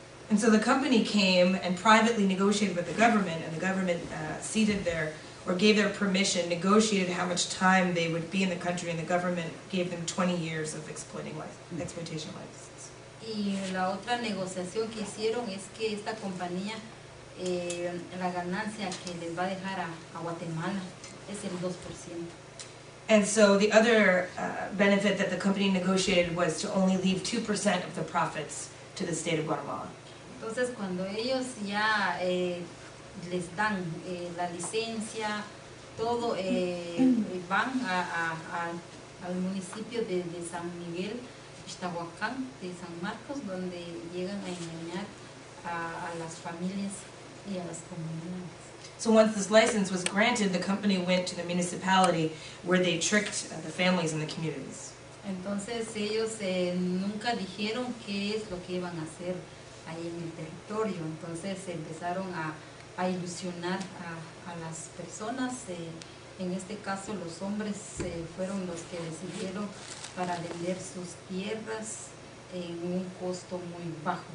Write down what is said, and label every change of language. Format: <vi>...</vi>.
<en>And so the company came and privately negotiated with the government, and the government ceded their, or gave their permission, negotiated how much time they would be in the country, and the government gave them 20 years of exploitation licenses.</en> <es>Y la otra negociación que hicieron es que esta compañía, la ganancia que les va a dejar a Guatemala es el 2%.</es> <en>And so the other benefit that the company negotiated was to only leave 2% of the profits to the state of Guatemala.</en> <es>Entonces, cuando ellos ya les dan la licencia, todo van al municipio de San Miguel, Ixtahuacán, de San Marcos, donde llegan a engañar a las familias y a las comunidades.</es> <en>So once this license was granted, the company went to the municipality where they tricked the families and the communities.</en> <es>Entonces ellos nunca dijeron qué es lo que iban a hacer ahí en el territorio. Entonces empezaron a ilusionar a las personas. En este caso los hombres fueron los que decidieron para vender sus tierras en un costo muy bajo.</es>